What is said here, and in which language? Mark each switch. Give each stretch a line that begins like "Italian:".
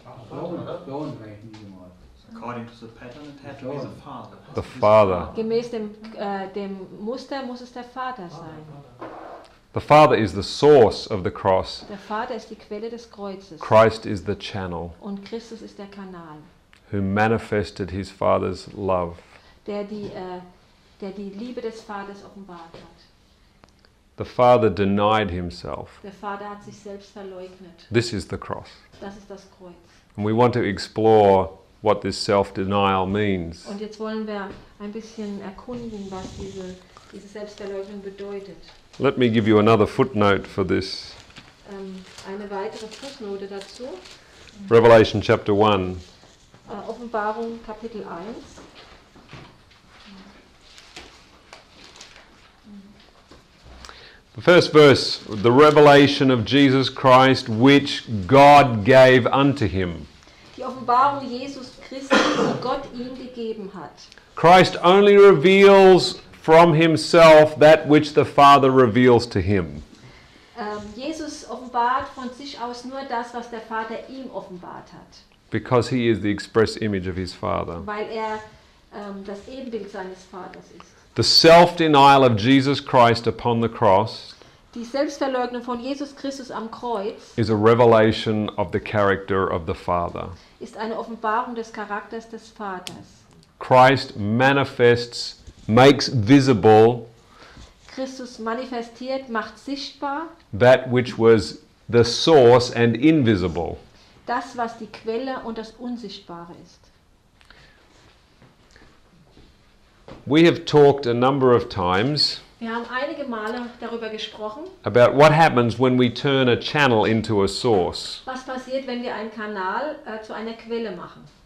English: According to the pattern, it had to be the Father. The Father.
German: Gemäß dem Muster muss es der Vater sein.
English: The Father is the source of the cross.
German: Der Vater ist die Quelle des Kreuzes.
English: Christ is the channel.
German: Und Christus ist der Kanal.
English: Who manifested his Father's love.
German: Der die Liebe des Vaters offenbart hat.
English: The Father denied himself.
German: Der Vater hat sich selbst verleugnet.
English: This is the cross.
German: Das ist das Kreuz.
English: And we want to explore what this self-denial means.
German: Und jetzt wollen wir ein bisschen erkunden, was diese Selbstverleugnung bedeutet.
English: Let me give you another footnote for this.
German: Eine weitere Fußnote dazu.
English: Revelation chapter 1.
German: Offenbarung Kapitel 1.
English: The first verse, the revelation of Jesus Christ, which God gave unto him.
German: Die Offenbarung Jesus Christus, die Gott ihm gegeben hat.
English: Christ only reveals from himself that which the Father reveals to him.
German: Jesus offenbart von sich aus nur das, was der Vater ihm offenbart hat.
English: Because he is the express image of his Father.
German: Weil er das Ebenbild seines Vaters ist.
English: The self-denial of Jesus Christ upon the cross.
German: Die Selbstverleugnung von Jesus Christus am Kreuz.
English: Is a revelation of the character of the Father.
German: Ist eine Offenbarung des Charakters des Vaters.
English: Christ manifests, makes visible.
German: Christus manifestiert, macht sichtbar.
English: That which was the source and invisible.
German: Das, was die Quelle und das Unsichtbare ist.
English: We have talked a number of times.
German: Wir haben einige Male darüber gesprochen.
English: About what happens when we turn a channel into a source.
German: Was passiert, wenn wir einen Kanal zu einer Quelle machen?